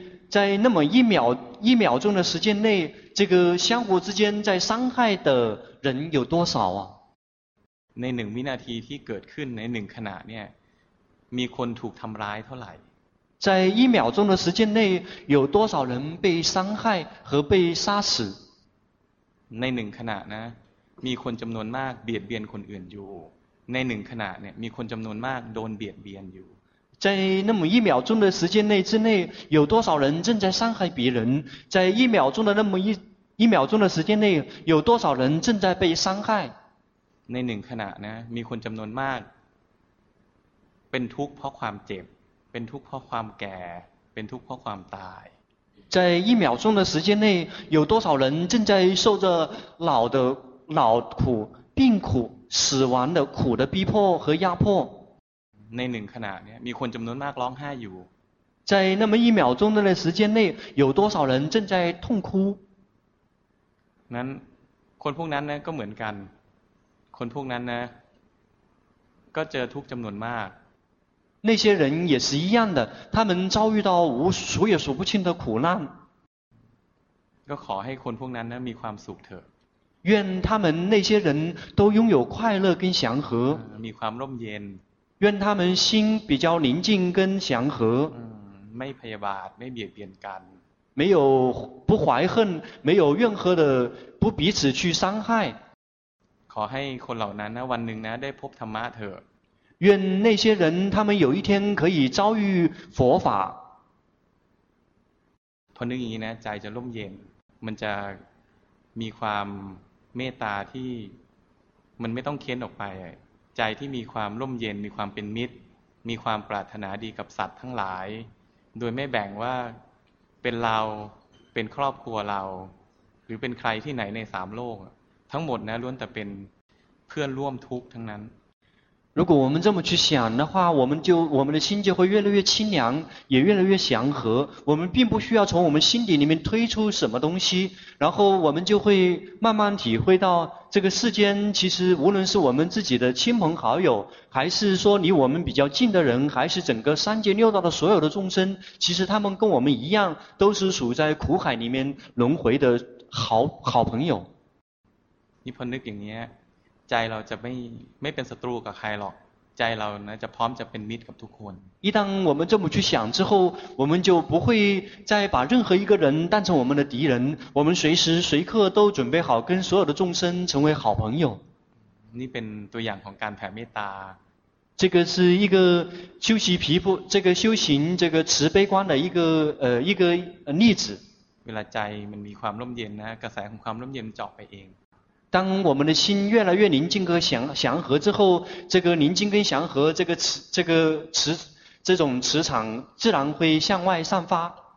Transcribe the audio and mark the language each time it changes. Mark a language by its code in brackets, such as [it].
[zh] 在那么一秒钟的时间内这个相互之间在伤害的人有多少啊 [th] ในหนึ่งวินาทีที่เกิดขึ้นในหนึ่งขณะเนี่ยมีคนถูกทำร้ายเท่าไหร่ [zh] 在一秒钟的时间内有多少人被伤害和被杀死 [th] ในหนึ่งขณะนะมีคนจำนวนมากเบียดเบียนคนอื่นอยู่ในหนึ่งขณะเนี่ยมีคนจำนวนมากโดนเบียดเบียนอยู่ [zh] 在那么一秒钟的时间内之内有多少人正在伤害别人在一秒钟的那么一秒钟的时间内有多少人正在被伤害 [th] ในหนึ่งขณะนะมีคนจำนวนมากเป็นทุกข์เพราะความเจ็บเป็นทุกข์เพราะความแก่เป็นทุกข์เพราะความตาย [zh] 在一秒钟的时间内有多少人正在受着老苦病苦死亡的苦的逼迫和压迫 [th] ในหนึ่งขณะเนี่ยมีคนจำนวนมากร้องไห้อยู่ [zh] ใน那么一秒钟的时间内有多少人正在痛哭 [th] นั้นคนพวกนั้นนะก็เหมือนกันคนพวกนั้นนะก็เจอทุกจำนวนมาก [zh] 那些人也是一样的他们遭遇到无数也数不清的苦难 [th] ก็ขอให้คนพวกนั้นนะมีความสุขเถอะ [zh] 愿他们那些人都拥有快乐跟祥和 [th] มีความร่มเย็น [zh] 愿他们心比较宁静跟祥和 [th] ไม่พยาบาทไม่เบียดเบียนกัน [zh] 没有不怀恨没有任何的不彼此去伤害 [th] ขอให้คนเหล่านั้นนะวันหนึ่งนะได้พบธรรมะเถอะ [zh] 愿那些人他们有一天可以遭遇佛法 [th] พอนึกอย่างนี้นะใจจะร่มเย็นมันจะมีความเมตตาที่มันไม่ต้องเค้นออกไปใจที่มีความร่มเย็นมีความเป็นมิตร มีความปรารถนาดีกับสัตว์ทั้งหลายโดยไม่แบ่งว่าเป็นเราเป็นครอบครัวเราหรือเป็นใครที่ไหนในสามโลกทั้งหมดนะล้วนแต่เป็นเพื่อนร่วมทุกข์ทั้งนั้น [zh] 如果我们这么去想的话，我们的心就会越来越清凉，也越来越祥和。我们并不需要从我们心底里面推出什么东西，然后我们就会慢慢体会到这个世间其实无论是我们自己的亲朋好友，还是说离我们比较近的人，还是整个三界六道的所有的众生，其实他们跟我们一样，都是处在苦海里面轮回的好朋友。你碰到顶爷。 [th] ใจเราจะไม่เป็นศัตรูกับใครหรอกใจเรานะจะพร้อมจะเป็นมิตรกับทุกคน [zh] 一旦我们这么去想之后我们就不会再把任何一个人当成我们的敌人我们随时随刻都准备好跟所有的众生成为好朋友 [th] นี่เป็นตัวอย่างของการแผ่เมตตา [zh] 这个是一个修习毗婆这个修行这个慈悲观的一个例子 [th] เวลาใจมันมีความร่มเย็นนะกระแสของความร่มเย็นเจาะไปเอง [zh] 当我们的心越来越宁静和祥和之后，这个宁静跟祥和，这种磁场自然会向外散发。